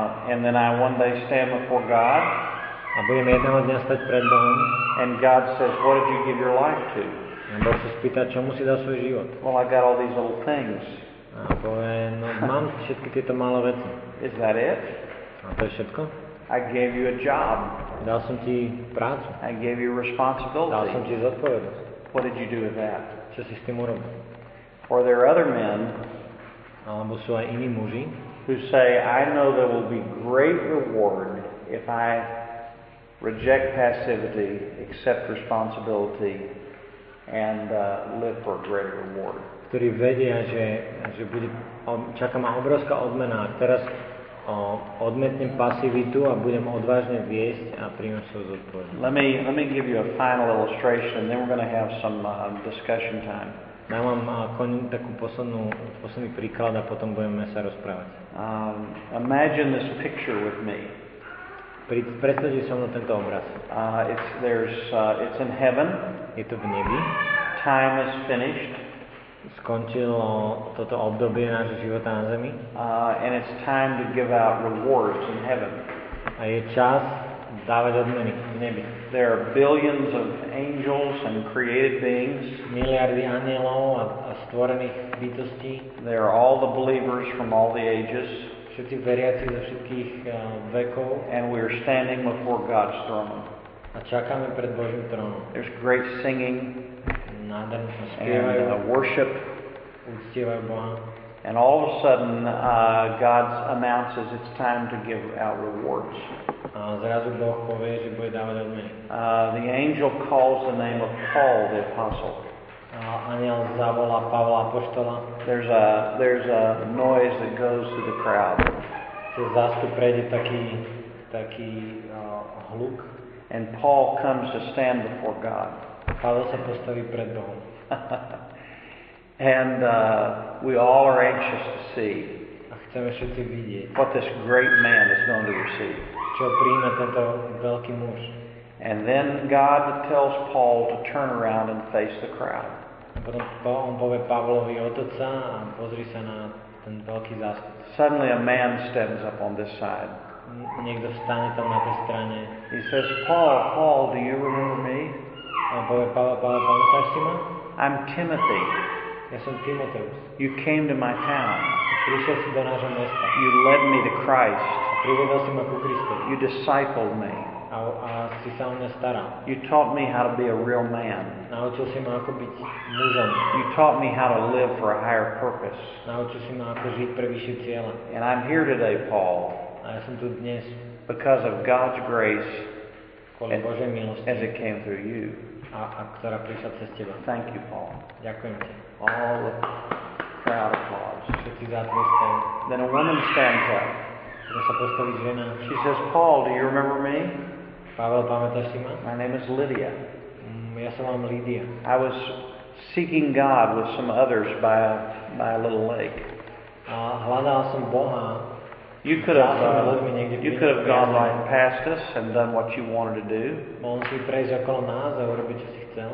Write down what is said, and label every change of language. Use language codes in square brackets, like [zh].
[en] and then I one day stand before God, [sk] a budem jedného dňa stať pred Bohom, [en] and God says, what did you give your life to? [sk] A Boh sa spýta, čomu si dal svoj život? [en] Well, I got all these little things. [sk] A povie, no mám všetky tieto malé veci. [en] Is that it? [sk] A to je všetko? [en] I gave you a job. [sk] Dal som ti prácu. [en] I gave you responsibility. [sk] Dal som ti zodpovednosť. [en] What did you do with that? [sk] Čo si s tým urobil? [en] Or there are other men, [sk] alebo sú aj iní muži, [en] who say, I know there will be great reward if I reject passivity, accept responsibility, and live for a greater reward. [sk] Ktorí vedia, že bude, čaká ma obrovská odmena. Teraz odmetnem pasivitu a budem odvážne viesť a príjmem svoju zodpovednosť. [en] Let me give you a final illustration, then we're going to have some discussion time. [sk] Dám vám takú posledný príklad a potom budeme sa rozprávať. [en] Imagine this picture with me. [sk] Predstavte si tento obraz. [en] It's in heaven. [sk] Je to v nebi. [en] Time is finished. [sk] Skončilo toto obdobie nášho života na zemi. [en] And it's time to give out rewards in heaven. [sk] A je čas dávať odmeny v nebi. [en] There are billions of angels and created beings. [sk] Miliardy anielov a stvorených bytostí. [en] There are all the believers from all the ages. [sk] Všetci veriaci zo všetkých vekov. [en] And we are standing before God's throne. [sk] A čakáme pred Božím trónom. [en] There's great singing. [sk] Nádherne sa spievajú. [en] And worship. [sk] Uctievajú Boha. [en] And all of a sudden, God announces it's time to give out rewards. [sk] A zrazu Boh povie, že bude dávať odmeny. [en] The angel calls the name of Paul the apostle. [sk] Aniel zavolá Pavla apoštola. [en] There's a noise that goes through the crowd. [sk] Čo zástup prejde taký hluk. [en] And Paul comes to stand before God. [sk] Pavel sa postaví pred Bohom. [en] And we all are anxious to see. [sk] A chceme všetci vidieť. [en] What this great man is going to receive. [sk] Čo príjme tento veľký muž. [en] And then God tells Paul to turn around and face the crowd. [sk] Potom on povie Pavlovi otoč sa a pozri sa na ten veľký zástup. [en] Suddenly a man stands up on this side. [sk] Niekto stane tam na tej strane. [en] He says, Paul, do you remember me? [sk] A povie Pavel, pamätáš si ma? [en] I'm Timothy. [sk] Ja som Timoteus. [en] You came to my town. [sk] Prišiel si do nášho mesta. [en] You led me to Christ. [sk] Privedol si ma ku Kristu. [en] You discipled me. [sk] A si sa o mňa staral. [en] You taught me how to be a real man. [sk] Naučil si ma, ako byť mužom. [en] You taught me how to live for a higher purpose. [sk] Naučil si ma, ako žiť pre vyššie ciele. [en] And I'm here today, Paul. [sk] A ja som tu dnes. [en] Because of God's grace. [sk] Kvôli Božej milosti. [en] As it came through you. [sk] A ktorá prišla cez teba. [en] Thank you, Paul. [sk] Ďakujem ti. [en] All the crowd applause. [sk] Všetci za tvoj stan. [en] Then a woman stands up. She says, Paul, do you remember me? [sk] Pavel, pamätáš si ma? [en] My name is Lydia. [sk] Ja sa volám Lydia. [en] I was seeking God with some others by a little lake. [sk] Hľadal som Boha. [en] You could have gone right past us and done what you wanted to do. [sk] Mohol si prejsť okolo nás a urobiť, čo si chcel.